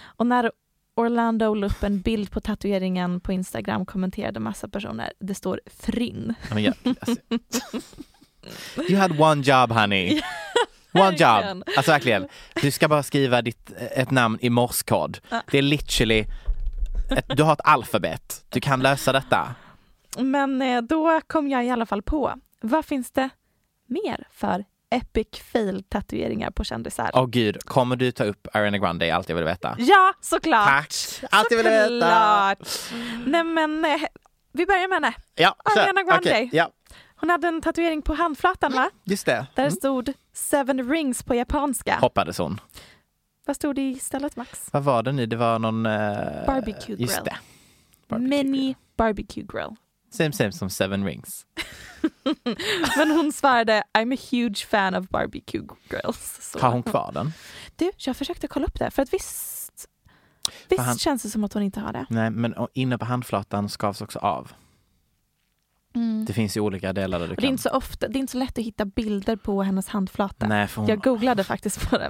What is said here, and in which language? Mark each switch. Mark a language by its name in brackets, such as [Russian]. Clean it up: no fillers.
[Swedish] Och när Orlando la upp en bild på tatueringen på Instagram kommenterade massa personer. Det står Frynn. Men jag, [English] you had one job, honey. One job. [Swedish] Alltså verkligen. Du ska bara skriva ett namn i morse code. Det är literally... Du har ett alfabet. Du kan lösa detta. Men då kom jag i alla fall på. Vad finns det mer för epic fail-tatueringar på kändisar? Åh gud, kommer du ta upp Ariana Grande? Allt jag vill veta. Ja, såklart. Tack. Allt jag vill veta. Nej, men vi börjar med henne. Ja, Ariana Grande. Okay, ja. Hon hade en tatuering på handflatan, va? Just det. Där stod Seven Rings på japanska. Hoppades hon. Vad stod det istället, Max? Vad var det nu? Det var någon... [English] Barbecue grill. [Swedish] Just det. [English] Barbecue mini grill. Barbecue grill. [Swedish] Same som Seven Rings. Men hon svarade, [English] I'm a huge fan of barbecue grills. [Swedish] Så. Har hon kvar den? Du, jag försökte kolla upp det. För att visst känns det som att hon inte har det. Nej, men inne på handflatan skavs också av. Mm. Det finns ju olika delar där du kan. Det är inte så ofta, det är inte så lätt att hitta bilder på hennes handflata. Nej, för hon... Jag googlade faktiskt på det.